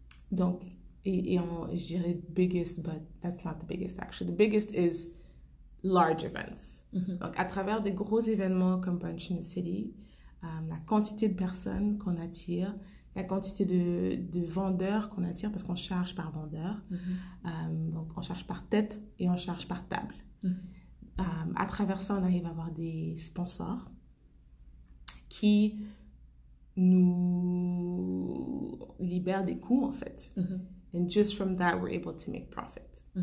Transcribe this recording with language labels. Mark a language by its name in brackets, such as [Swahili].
[French] Donc, je dirais [English] biggest, but that's not the biggest actually. The biggest is large events. [French] Donc, à travers des gros événements comme Brunch in the City, la quantité de personnes qu'on attire, la quantité de vendeurs qu'on attire, parce qu'on charge par vendeur, donc on charge par tête et on charge par table. À travers ça, on arrive à avoir des sponsors qui nous libèrent des coûts, en fait. [English] And just from that, we're able to make profit.